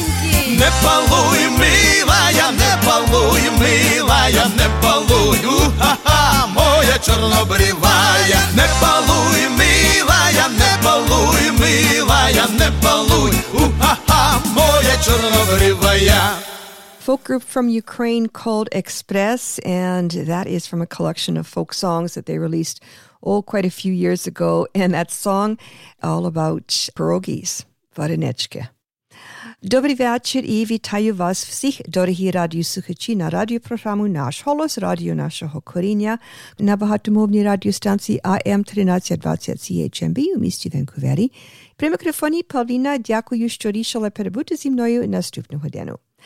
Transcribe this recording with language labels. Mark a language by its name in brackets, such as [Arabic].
[Ukrainian] Не палуй, милая, не палуй, уха-ха, моя чорнобривая. Не палуй, милая, не палуй, милая, не палуй, уха-ха, моя чорнобривая. [English] Folk group from Ukraine called Express, and that is from a collection of folk songs that they released quite a few years ago, and that song all about pierogies, varenichka. [Ukrainian] Добрий вечір і вітаю вас всіх, дорогі радіослухачі, на радіопрограму «Наш голос», радіо нашого коріння, на багатомовній радіостанції AM1320 CHMB у місті Ванкувері. При мікрофоні Павліна, дякую, що рішили перебути зі мною наступну годину.